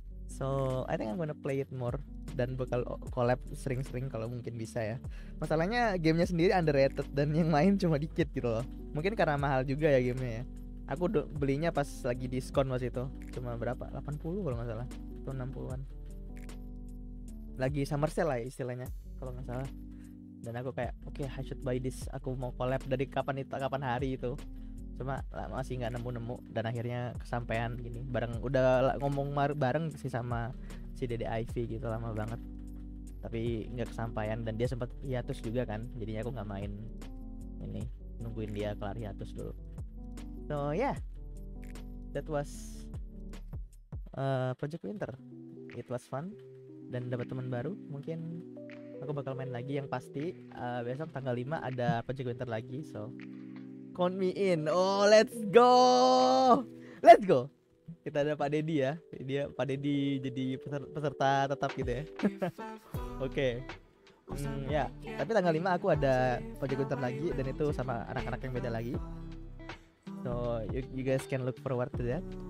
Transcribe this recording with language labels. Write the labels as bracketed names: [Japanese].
[English] So I think I'm gonna play it more. [Indonesian] Dan bakal collab sering-sering kalau mungkin bisa ya. Masalahnya gamenya sendiri underrated dan yang main cuma dikit gitu loh. Mungkin karena mahal juga ya gamenya ya. Aku belinya pas lagi diskon waktu itu. Cuma berapa? 80 kalau gak salah. Atau 60-an. Lagi summer sale lah ya istilahnya kalau gak salah. Dan aku kayak oke, [English] okay, I should buy this. [Indonesian] Aku mau collab dari kapan itu, kapan hari itu. Cuma lah, masih gak nemu-nemu. Dan akhirnya kesampaian gini bareng, udah ngomong bareng sih sama si Dede Ivy gitu lama banget. Tapi gak kesampaian. Dan dia sempat hiatus juga kan. Jadinya aku gak main ini, nungguin dia kelar hiatus dulu. [English] So yeah, that was Project Winter. It was fun. [Indonesian] Dan dapat teman baru. Mungkin aku bakal main lagi. Yang pasti besok tanggal 5 ada Project Winter lagi. [English] So count me in. Oh let's go, let's go. [Indonesian] Kita ada Pak Deddy ya. Dia Pak Deddy jadi peserta tetap gitu ya. Oke. Ya, tapi tanggal 5 aku ada Project Winter lagi. Dan itu sama anak-anak yang beda lagi. [English] So you guys can look forward to that.